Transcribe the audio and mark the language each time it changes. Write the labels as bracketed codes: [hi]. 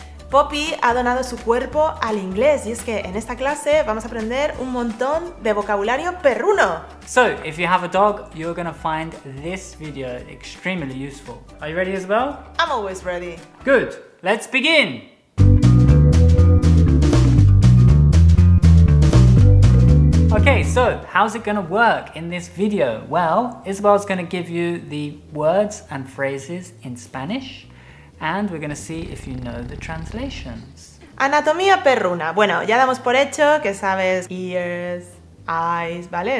[es] Poppy ha donado su cuerpo al inglés y es que en esta clase vamos a aprender un montón de vocabulario perruno. [en] So, if you have a dog, you're gonna find this video extremely useful. Are you ready, Isabel? I'm always ready. Good. Let's begin. Okay, so how's it gonna work in this video? Well, Isabel's gonna give you the words and phrases in Spanish, and we're gonna see if you know the translations. [es] Anatomía perruna. Bueno, ya damos por hecho que sabes [en] ears, eyes, [es] ¿vale?